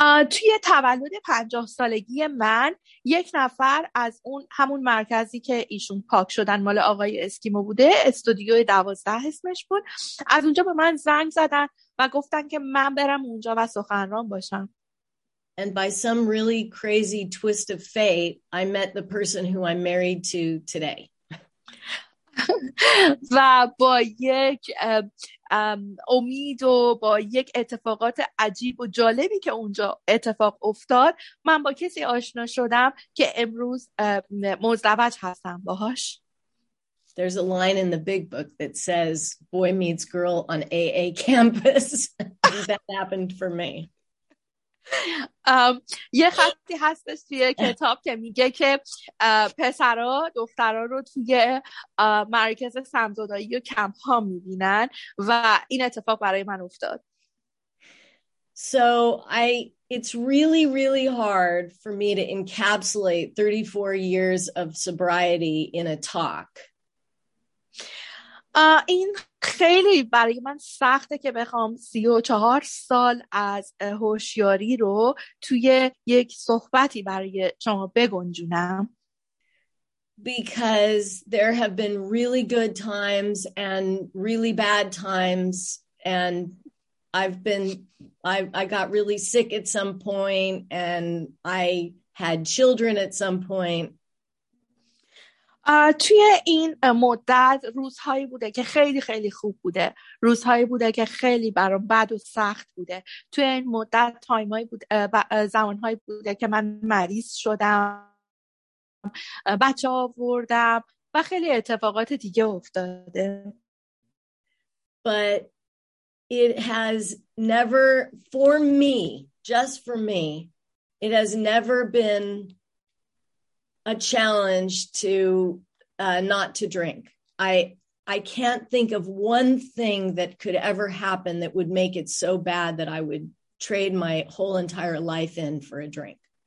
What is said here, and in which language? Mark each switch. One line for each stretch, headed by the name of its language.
Persian: توی تولد 50 سالگی من یک نفر از اون همون مرکزی که ایشون پاک شدن مال آقای اسکیمو بوده، استودیو 12 اسمش بود، از اونجا به من زنگ زدن و گفتن که من برم اونجا و سخنران باشم.
English: And by some really crazy twist of fate, I met the person who I'm married to today.
Persian: و با یک امید و با یک اتفاقات عجیب و جالبی که اونجا اتفاق افتاد، من با کسی آشنا شدم که امروز مزدوج هستم باهاش.
English: There's a line in the big book that says, boy meets girl on AA campus. That happened for me.
Persian: یه خطی هستش توی کتاب که میگه که پسرا دخترا رو توی مرکز سمزدائی و کمپ ها میبینن و این اتفاق برای من افتاد.
English: So it's really really hard for me to encapsulate 34 years of sobriety in a talk.
Persian: این خیلی برای من سخته که بخوام 34 سال از هوشیاری رو توی یک صحبتی برای شما بگنجونم.
English: Because there have been really good times and really bad times, and I got really sick at some point, and I had children at some point.
Persian: توی این مدت روزهایی بوده که خیلی خیلی خوب بوده، روزهایی بوده که خیلی برام بد و سخت بوده. توی این مدت زمانهایی بوده که من مریض شدم، بچه آوردم و خیلی اتفاقات دیگه افتاده.
English: But it has never, for me, just for me, it has never been a challenge to not to drink. I can't think of one thing that could ever happen that would make it so bad that I would trade my whole entire life in for a drink.